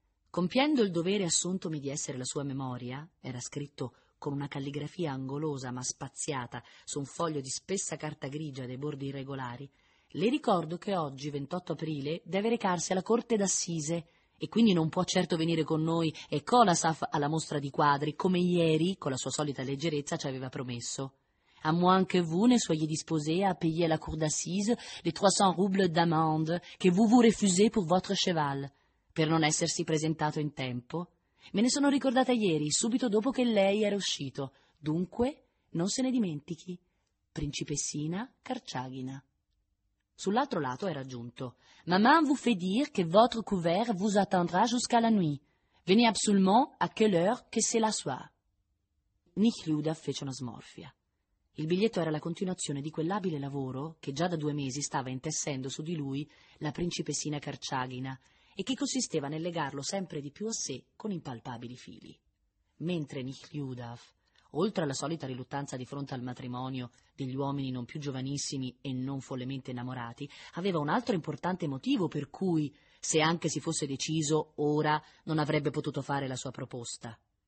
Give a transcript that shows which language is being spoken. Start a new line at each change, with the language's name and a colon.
Italian: «Compiendo il dovere assuntomi di essere la sua memoria», era scritto con una calligrafia angolosa ma spaziata su un foglio di spessa carta grigia dei bordi irregolari, «le ricordo che oggi, 28 aprile, deve recarsi alla corte d'assise, e quindi non può certo venire con noi e Kolasov alla mostra di quadri, come ieri, con la sua solita leggerezza, ci aveva promesso.
French: A moi que vous ne soyez disposé à payer à la cour d'assises les 300 roubles d'amende que vous vous refusez pour votre cheval,
Italian: per non essersi presentato in tempo. Me ne sono ricordata ieri, subito dopo che lei era uscito. Dunque, non se ne dimentichi. Principessina Karchagina». Sull'altro lato era aggiunto:
French: «Maman vous fait dire que votre couvert vous attendra jusqu'à la nuit. Venez absolument à quelle heure que c'est la soir».
Italian: Nekhludov fece una smorfia. Il biglietto era la continuazione di quell'abile lavoro che già da 2 mesi stava intessendo su di lui la principessina Karchagina e che consisteva nel legarlo sempre di più a sé con impalpabili fili. Mentre Nekhludov, oltre alla solita riluttanza di fronte al matrimonio degli uomini non più giovanissimi e non follemente innamorati, aveva un altro importante motivo per cui, se anche si fosse deciso, ora non avrebbe potuto fare la sua proposta.